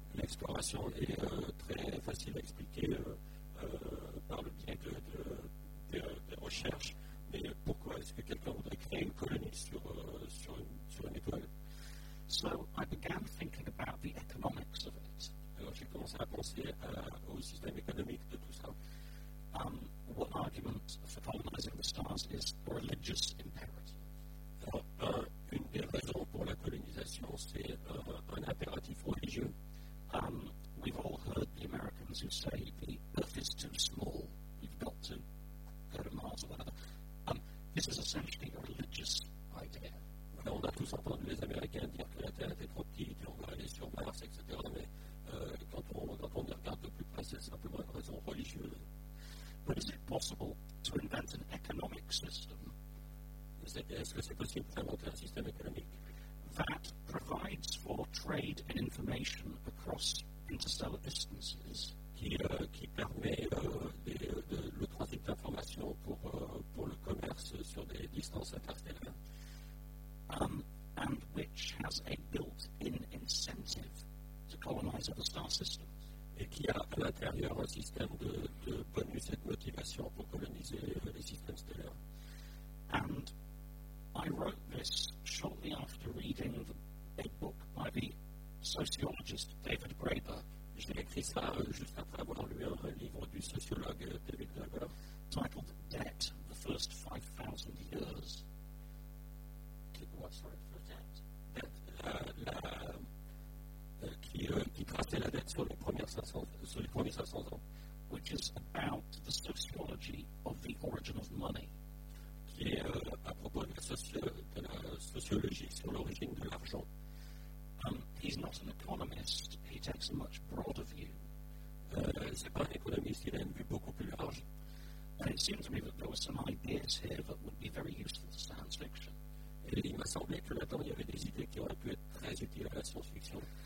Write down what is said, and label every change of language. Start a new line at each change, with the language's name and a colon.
French: difficile à expliquer par le biais de recherches, mais pourquoi est-ce que quelqu'un voudrait créer une colonie sur une étoile?
English: So I began thinking about the economics of it.
French: Alors j'ai commencé à penser au système économique de tout ça.
English: One argument for colonizing the stars is a religious imperative.
French: Une des raisons pour la colonisation, c'est un impératif religieux.
English: We've all heard the Americans who say the Earth is too small, we've got to go to Mars or whatever. This is essentially a religious idea.
French: Alors, on a tous entendu les Américains dire que la Terre était trop petite, on va aller sur Mars, etc. Mais quand on y regarde de plus près, c'est simplement une raison religieuse.
English: But is it possible to invent an economic system?
French: Est-ce que c'est possible d'inventer un système économique
English: that provides for trade and information across interstellar distances?
French: Qui permet le transit d'informations pour le commerce sur des distances interstellaires?
English: And which has a built-in incentive to colonize other star systems?
French: Et qui a à l'intérieur un système de bonus et de motivation pour coloniser les systèmes stellaires.
English: And I wrote this shortly after reading a book by the sociologist David Graeber.
French: J'ai écrit ça juste après avoir lu un livre du sociologue David Graeber,
English: titled Debt, The First 5,000 Years. What's right for debt?
French: Debt, qui traçait la dette sur les premiers 500 ans.
English: Which is about the sociology of the origin of money.
French: Qui est à propos de la sociologie sur l'origine de l'argent.
English: He's not an economist. He takes a much broader view.
French: C'est pas un économiste. Il a une vue beaucoup plus large.
English: And it seems to me that there were some ideas here that would be very useful to science fiction.
French: Et il m'a semblé que là-dedans, il y avait des idées qui auraient pu être très utiles à la science-fiction.